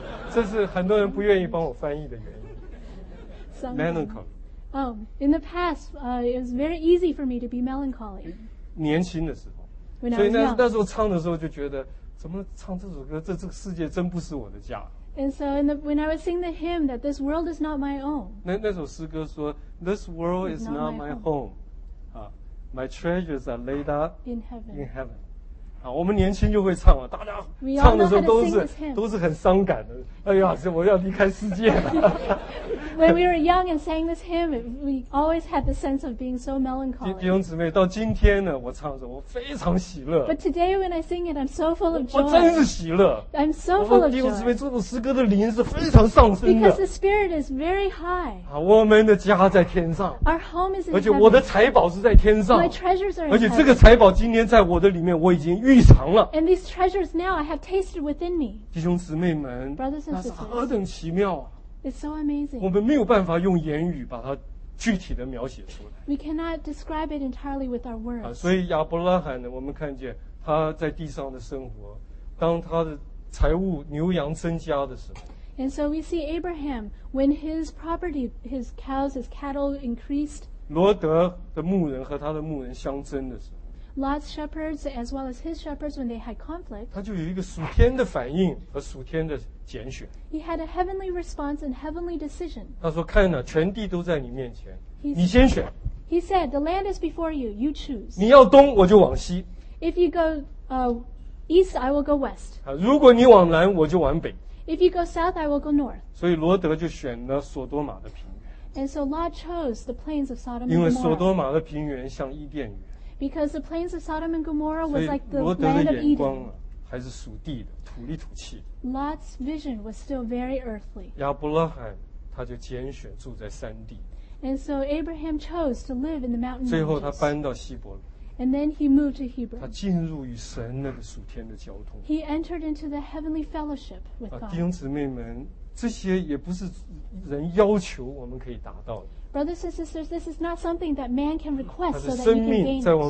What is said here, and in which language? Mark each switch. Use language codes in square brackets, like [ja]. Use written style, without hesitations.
[zh] 这是很多人不愿意帮我翻译的原因。 [en] Melancholy. Oh, in the past, it was very easy for me to be melancholy. [zh] 年轻的时候。 [en] When I was young. [zh] 所以那时候唱的时候就觉得，怎么唱这首歌？这个世界真不是我的家。 [en] And so in the, when I was singing the hymn that this world is not my own. [zh] 那首诗歌说 [en] ，This world is not my home. My treasures are laid up in heaven. In heaven. [zh] 我们年轻就会唱了，大家唱的时候都是很伤感的。哎呀，我要离开世界了。 [en] When we were young and sang this hymn, we always had the sense of being so melancholy. [zh] 弟兄姊妹, 到今天呢, 我唱着, 我非常喜乐。 [en] But today when I sing it, I'm so full of joy. [zh] 我真是喜乐。 [en] I'm so full of joy. [zh] 弟兄姊妹, 这首诗歌的灵是非常上升的。 [en] Because the spirit is very high. [zh] 啊, 我们的家在天上。 [en] Our home is in heaven. [zh] 而且我的财宝是在天上。 [en] My treasures are in heaven. [zh] 而且这个财宝今天在我的里面, 我已经预尝了。 [en] And these treasures now I have tasted within me. [zh] 弟兄姊妹们, [en] Brothers and sisters. [zh] 那是何等奇妙啊。 [en] It's so amazing. [zh] 我们没有办法用言语把它具体的描写出来。 [en] We cannot describe it entirely with our words. [zh] 所以亚伯拉罕呢, 我们看见他在地上的生活, 当他的财物牛羊增加的时候, [en] And so we see Abraham when his property, his cows, his cattle increased. [zh] 罗德的牧人和他的牧人相争的时候, [en] Lot's shepherds as well as his shepherds when they had conflict. [zh] 他就有一个属天的反应和属天的拣选。 [en] He had a heavenly response and heavenly decision. [zh] 他说看了全地都在你面前, 你先选。 [en] He said, the land is before you, you choose. [zh] 你要东我就往西。 [en] If you go east, I will go west. [zh] 如果你往南我就往北。 [en] If you go south, I will go north. [zh] 所以罗德就选了索多玛的平原。 [en] And so Lot chose the plains of Sodom and Gomorrah. [zh] 因为索多玛的平原像伊甸园。 [en] Because the plains of Sodom and Gomorrah was like the land of Eden. [zh] 还是属地的，土里土气的。 [en] Lot's vision was still very earthly. [zh] 亚伯拉罕他就拣选住在山地。 [en] And so Abraham chose to live in the mountain. [zh] 最后他搬到希伯伦。 [en] And then he moved to Hebron. [zh] 他进入与神那个属天的交通。 [en] He entered into the heavenly fellowship with God. [zh] 弟兄姊妹们, 这些也不是人要求我们可以达到的。 [en] Brothers and sisters, this is not something that man can request so that you can gain it.